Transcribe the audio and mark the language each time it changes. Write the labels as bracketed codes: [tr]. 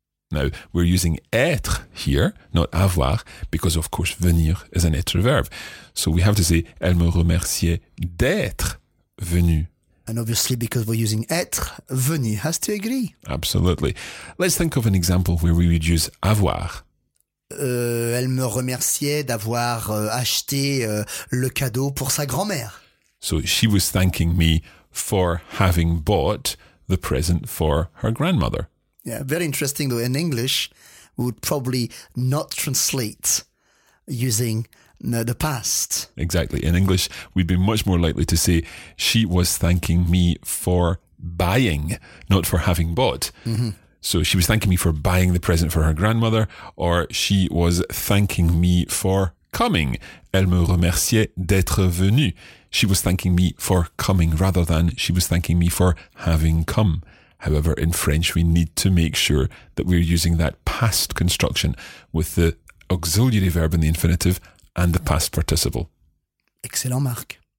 [en] Now, we're using être here, not avoir, because of course venir is an être verb. So we have to say, [fr] elle me remerciait d'être venue. [en] And obviously because we're using être, venue has to agree. Absolutely. Let's think of an example where we would use avoir. [fr] Elle me remerciait d'avoir acheté le cadeau pour sa grand-mère. [en] So she was thanking me for having bought the present for her grandmother. Yeah, very interesting though. In English, we would probably not translate using the past. Exactly. In English, we'd be much more likely to say, she was thanking me for buying, not for having bought. Mm-hmm. So she was thanking me for buying the present for her grandmother, or she was thanking me for coming. [fr] Elle me remerciait d'être venue. [en] She was thanking me for coming rather than she was thanking me for having come. However, in French, we need to make sure that we're using that past construction with the auxiliary verb in the infinitive and the past participle. Excellent, Marc.